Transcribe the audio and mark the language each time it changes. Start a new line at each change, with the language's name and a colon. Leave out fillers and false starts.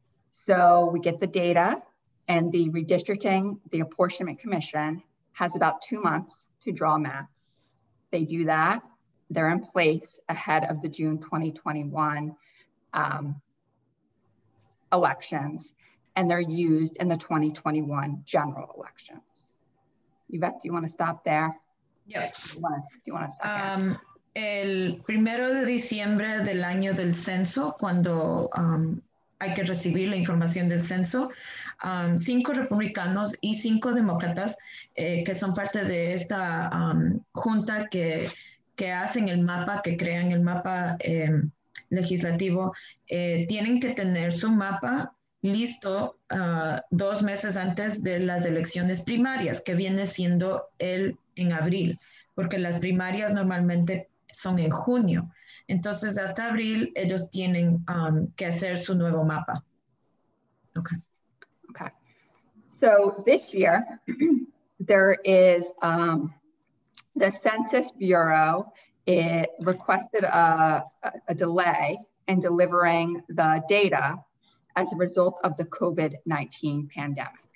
English: So we get the data and the redistricting, the apportionment commission has about 2 months to draw maps. They do that, they're in place ahead of the June 2021 elections, and they're used in the 2021 general elections. Iveth, do you wanna stop there? Yes. Do you wanna stop there?
Spanish: El primero de diciembre del año del censo, cuando hay que recibir la información del censo, cinco republicanos y cinco demócratas que son parte de esta junta que hacen el mapa, que crean el mapa legislativo, tienen que tener su mapa listo 2 meses antes de las elecciones primarias, que viene siendo en abril, porque las primarias normalmente son en junio. Entonces, hasta abril, ellos tienen que hacer su nuevo mapa.
English: Okay. So this year, there is the Census Bureau, it requested a delay in delivering the data as a result of the COVID-19 pandemic.